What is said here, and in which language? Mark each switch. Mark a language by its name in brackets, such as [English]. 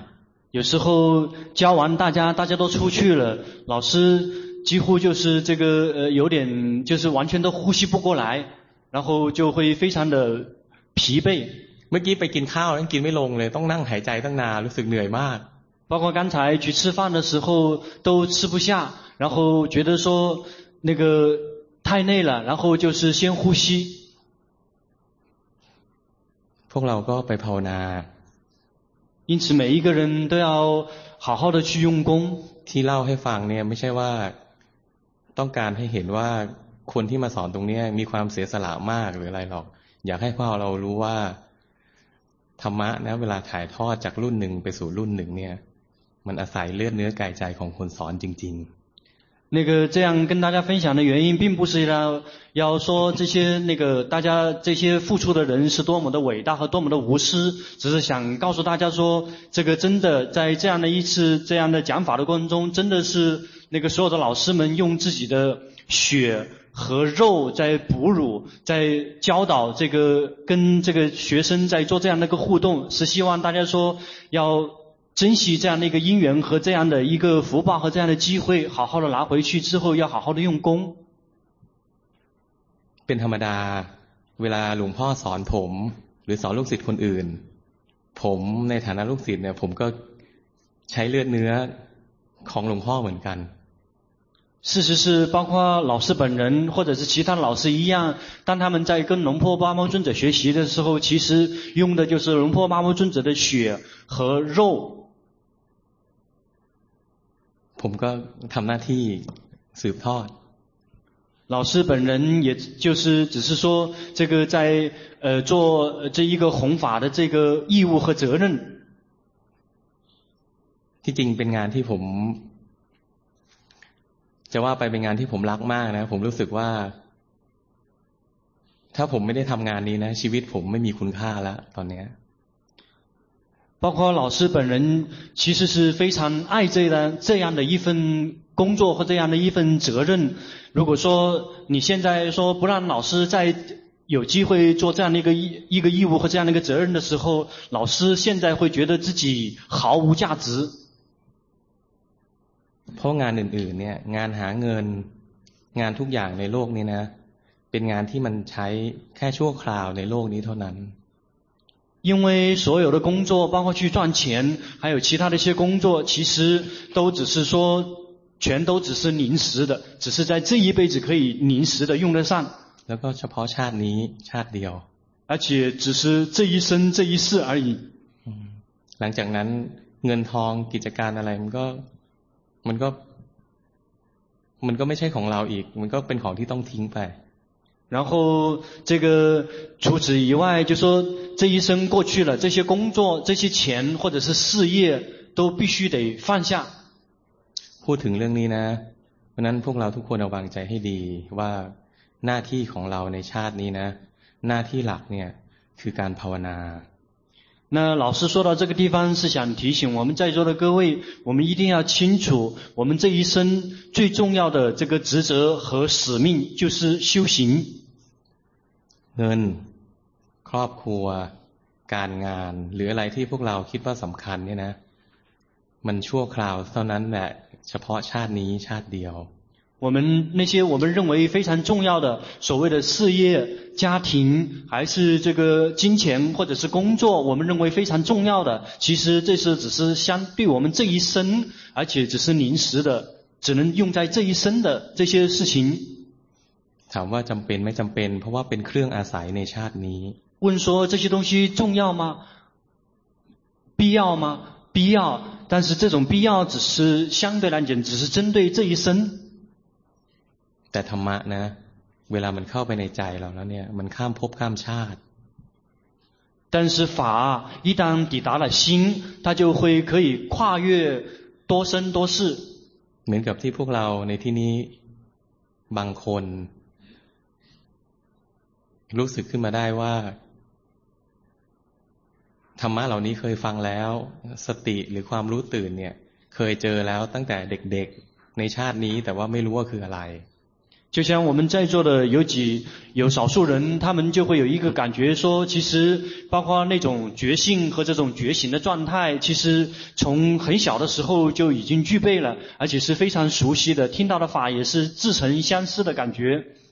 [Chinese] ย有时候教完大家都出去了老师几乎就是这个有点就是完全都呼吸不过来然后就会非常的疲惫 [Thai] เมื่อกี้ไปกินข้าวยังกินไม่ลงเลยต้องนั่งหายใจตั้งนานรู้สึกเหนื่อยมาก [Chinese] 包括刚才去吃饭的时候都吃不下然后觉得说那个太累了然后就是先呼吸 [Thai] พวกเราก็ไปภาวนา [Chinese] 因此每一个人都要好好的去用功 [Thai] ที่เล่าให้ฟังเนี่ยไม่ใช่ว่าต้องการให้เห็นว่าคนที่มาสอนตรงนี้มีความเสียสละมากหรืออะไรหรอกอยากให้พวกเรารู้ว่าธรรมะนะเวลาถ่ายทอดจากรุ่นหนึ่งไปสู่รุ่นหนึ่งเนี่ยมันอาศัยเลือดเนื้อกายใจของคนสอนจริง [Chinese] ๆ那个这样跟大家分享的原因并不是要说这些那个大家这些付出的人是多么的伟大和多么的无私只是想告诉大家说这个真的在这样的一次这样的讲法的过程中真的是那个所有的老师们用自己的血和肉在哺乳在教导这个跟这个学生在做这样的一个互动是希望大家说要珍惜这样的一个因缘和这样的一个福报和这样的机会好好的拿回去之后要好好的用功 [Thai] เป็นธรรมดาเวลาหลวงพ่อสอนผมหรือสอนลูกศิษย์คนอื่นผมในฐานะลูกศิษย์เนี่ยผมก็ใช้เลือดเนื้อของหลวงพ่อเหมือนกัน [Chinese] 事实是包括老师本人或者是其他老师一样当他们在跟龙婆巴摩尊者学习的时候其实用的就是龙婆巴摩尊者的血和肉 [Thai] ผมก็ทำหน้าที่สืบทอด [Chinese] 老师本人也就是只是说这个在做这一个弘法的这个义务和责任 [Thai] ที่จริงเป็นงานที่ผมจะว่าไปเป็นงานที่ผมรักมากนะผมรู้สึกว่าถ้าผมไม่ได้ทำงานนี้นะชีวิตผมไม่มีคุณค่าแล้วตอนนี้ [Chinese] 包括老师本人其实是非常爱这样的一份工作和这样的一份责任如果说你现在说不让老师再有机会做这样的一个义务和这样的一个责任的时候老师现在会觉得自己毫无价值 [Thai] เพราะงานอื่นๆเนี่ยงานหาเงินงานทุกอย่างในโลกนี้นะเป็นงานที่มันใช้แค่ชั่วคราวในโลกนี้เท่านั้น [Chinese] 因为所有的工作包括去赚钱还有其他的一些工作其实都只是说全都只是临时的只是在这一辈子可以临时的用得上 [Thai] แล้วก็เฉพาะชาตินี้ชาติเดียว [Chinese] 而且只是这一生这一世而已 [Thai] หลังจากนั้นเงินทองกิจการอะไรมันก็ไม่ใช่ของเราอีกมันก็เป็นของที่ต้องทิ้งไป [Chinese] 然后这个除此以外，就说这一生过去了，这些工作、这些钱或者是事业都必须得放下。 [Thai] พูดถึงเรื่องนี้นะ เพราะนั้นพวกเราทุกคนระวังใจให้ดีว่าหน้าที่ของเราในชาตินี้นะหน้าที่หลักเนี่ยคือการภาวนา [Chinese] 那老师说到这个地方是想提醒我们在座的各位，我们一定要清楚我们这一生最重要的这个职责和使命就是修行。 [Thai] เงินครอบครัวการงานหรืออะไรที่พวกเราคิดว่าสำคัญเนี่ยนะมันชั่วคราวเท่านั้นแหละเฉพาะชาตินี้ชาติเดียว [Chinese] 我们那些我们认为非常重要的所谓的事业家庭还是这个金钱或者是工作我们认为非常重要的其实这是只是相对我们这一生而且只是临时的只能用在这一生的这些事情 [Thai] ถามว่าจำเป็นไม่จำเป็นเพราะว่าเป็นเครื่องอาศัยในชาตินี้ [Chinese] 问说这些东西重要吗必要吗必要但是这种必要只是相对来讲只是针对这一生 [Thai] แต่ธรรมะนะเวลามันเข้าไปในใจเราแล้วเนี่ยมันข้ามภพข้ามชาติ [Chinese] 但是法一旦抵达了心它就会可以跨越多生多世 [Thai] เหมือนกับที่พวกเราในที่นี้บางคนรู้สึกขึ้นมาได้ว่าธรรมะเหล่านี้เคยฟังแล้วสติหรือความรู้ตื่นเนี่ยเคยเจอแล้วตั้งแต่เด็กๆในชาตินี้แต่ว่าไม่รู้ว่าคืออะไร [Chinese] 就像我们在座的有少数人他们就会有一个感觉说其实包括那种觉性和这种觉醒的状态其实从很小的时候就已经具备了而且是非常熟悉的听到的法也是自成相似的感觉